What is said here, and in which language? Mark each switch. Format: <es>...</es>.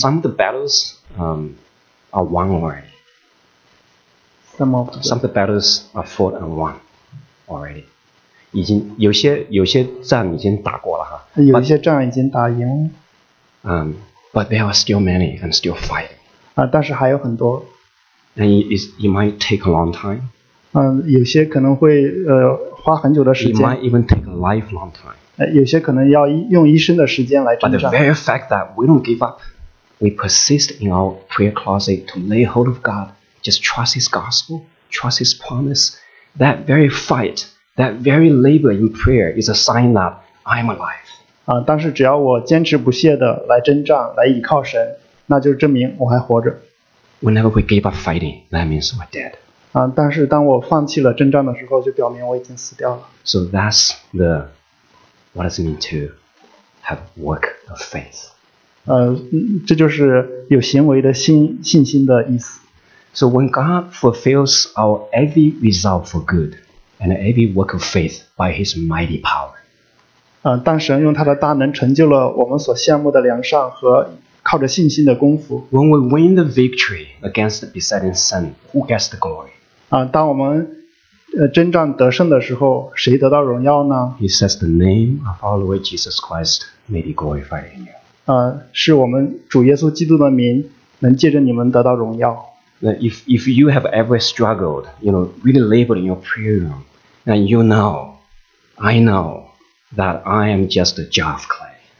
<en>Some of the battles are won already. Some of the battles are fought and won already.</en> <zh>已经有些战已经打过了哈。有些战已经打赢。</zh> <en>But there are still many and still fighting.</en> <zh>但是还有很多。</zh> <en>And it might take a long time.</en> <zh>有些可能会花很久的时间。</zh> <en>It might even take a lifelong time.</en> <zh>有些可能要用一生的时间来征战。</zh> <en>But the very fact that we don't give up, we persist in our prayer closet to lay hold of God, just trust His gospel, trust His promise, that very fight, that very labor in prayer is a sign that I'm alive.</en> <zh>但是只要我坚持不懈地来征战，来倚靠神，那就证明我还活着。</zh> <en>Whenever we give up fighting, that means we're dead.</en> <zh>但是当我放弃了征战的时候，就表明我已经死掉了。</zh> <en>So that's the... What does it mean to have work of faith?</en> <zh>这就是有行为的信心的意思。</zh> <en>So when God fulfills our every resolve for good and every work of faith by His mighty power,</en> <zh>当神用他的大能成就了我们所羡慕的良善和靠着信心的功夫。</zh> <en>When we win the victory against the besetting sin, who gets the glory?</en> <zh>当我们征战得胜的时候，谁得到荣耀呢？</zh> <en>He says the name of our Lord Jesus Christ may be glorified in you.</en> <zh>是我们主耶稣基督的名能借着你们得到荣耀。</zh> <en>If you have ever struggled, you know, really labored in your prayer room, and you know, I know that I am just a jar of clay.</en>